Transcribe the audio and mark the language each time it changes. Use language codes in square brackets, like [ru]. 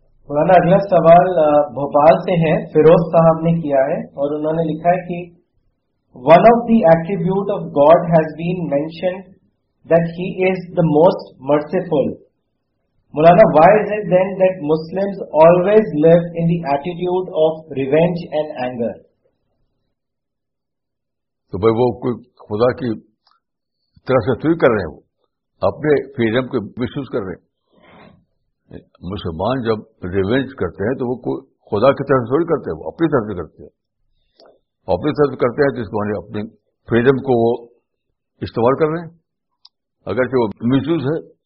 [ur] مولانا اگلا سوال بھوپال سے ہے, فیروز صاحب نے کیا ہے, اور انہوں نے لکھا ہے کہ [en] One of the attribute of God has been mentioned that he is the most merciful. Maulana why is it then that Muslims always live in the attitude of revenge and anger? [ur] تو بھائی وہ کوئی خدا کی طرح سے تھوڑی کر رہے ہیں, وہ اپنے فریڈم کو محسوس کر رہے ہیں. مسلمان جب ریونج کرتے ہیں تو وہ خدا کی طرف سے تھوڑی کرتے ہیں, وہ اپنی طرف سے کرتے ہیں. اپنی طرف سے کرتے ہیں جس کو انہیں اپنی فریڈم کو وہ استعمال کر رہے ہیں, اگرچہ وہ مسیوز ہے.